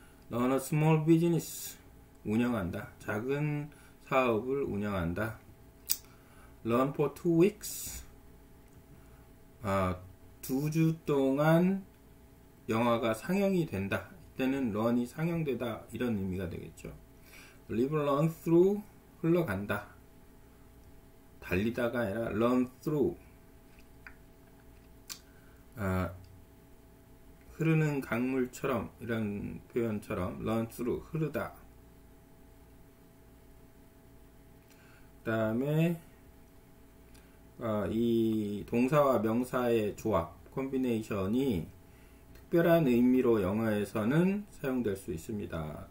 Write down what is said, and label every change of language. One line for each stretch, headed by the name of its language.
English: Run a small business.
Korean: 운영한다. 작은 사업을 운영한다.
English: Run for 2 weeks.
Korean: 2주 동안 영화가 상영이 된다. 이때는 run이 상영되다 이런 의미가 되겠죠.
English: Live run through
Korean: 흘러간다. 달리다가 아니라 run through. 흐르는 강물처럼, 이런 표현처럼 run through 흐르다. 그다음에 이 동사와 명사의 조합, 콤비네이션이 특별한 의미로 영어에서는 사용될 수 있습니다.